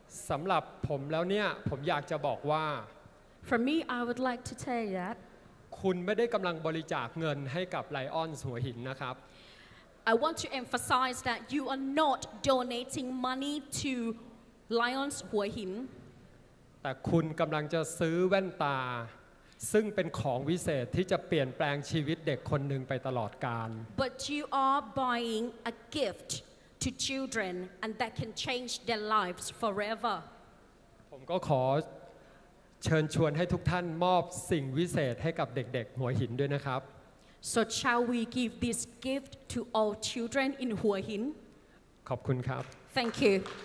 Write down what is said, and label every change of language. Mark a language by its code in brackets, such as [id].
[th] สำหรับผมแล้วเนี่ยผมอยากจะบอกว่า [en] For me I would like to tell you that [th] คุณไม่ได้กำลังบริจาคเงินให้กับไลออนหัวหินนะครับ [en] I want to emphasize that you are not donating money to Lions หัวหิน [th] แต่คุณกำลังจะซื้อแว่นตาซึ่งเป็นของวิเศษที่จะเปลี่ยนแปลงชีวิตเด็กคนหนึ่งไปตลอดกาล [en] But you are buying a gift to children and that can change their lives forever [th] ผมก็ขอเชิญชวนให้ทุกท่านมอบสิ่งวิเศษให้กับเด็กๆหัวหินด้วยนะครับ [en] So shall we give this gift to all children in หัวหิน [th] ขอบคุณครับ [en] Thank you